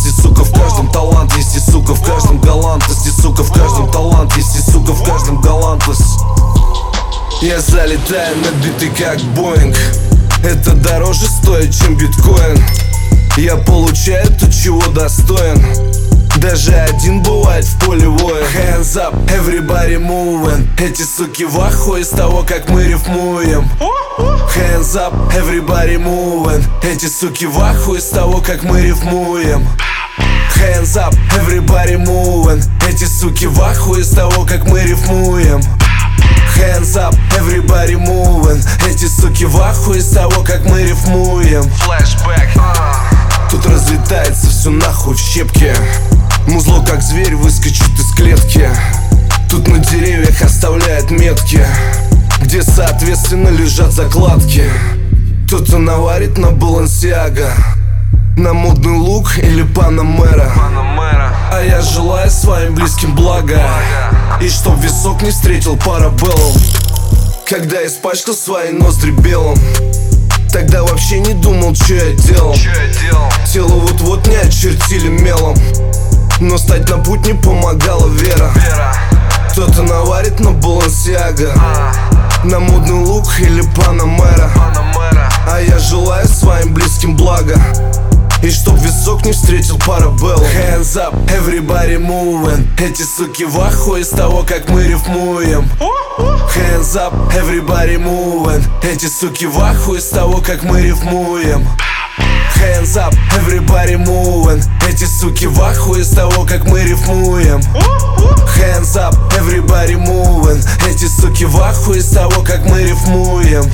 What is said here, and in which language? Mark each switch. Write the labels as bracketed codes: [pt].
[ru] Здесь, сука, в каждом талант. Здесь, сука, в каждом галантность. Здесь, сука, в каждом талант. Здесь, сука, в каждом галантность. Я залетаю на биты как Боинг. Это дороже стоит, чем биткоин. Я получаю то, чего достоин. Даже один бывает в поле воя. [en] Hands up, everybody moving. [ru] Эти суки в ахуе с того, как мы рифмуем. [en] Hands up, everybody moving. [ru] Эти суки в ахуе с того, как мы рифмуем. [en] Hands up, everybody moving. [ru] Эти суки в ахуе с того, как мы рифмуем. [en] Hands up, everybody moving. [ru] Эти суки в ахуе с того, как мы рифмуем. [en] Flashback. [ru] Тут разлетается все нахуй в щепки. Музло как зверь выскочит из клетки. Тут на деревьях оставляют метки, где соответственно лежат закладки. Кто-то наварит на Balenciaga, на модный лук или Panamera. А я желаю своим близким блага, и чтоб висок не встретил парабеллум. Когда испачкал свои ноздри белым, тогда вообще не думал, что я делал. Тело вот-вот не очертили мелом, но стать на путь не помогала вера. Кто-то наварит на Balenciaga, на модный лук или Panamera. А я желаю своим близким блага, и чтоб висок не встретил парабеллум. [en] Hands up, everybody moving. [ru] Эти суки в ахуе с того, как мы рифмуем. [en] Hands up, everybody moving. [ru] Эти суки в ахуе с того, как мы рифмуем. [en] Hands up, everybody moving. [ru] Эти суки в ахуе с того, как мы рифмуем. [en] Hands up, everybody moving. [ru] Эти суки в ахуе с того, как мы рифмуем.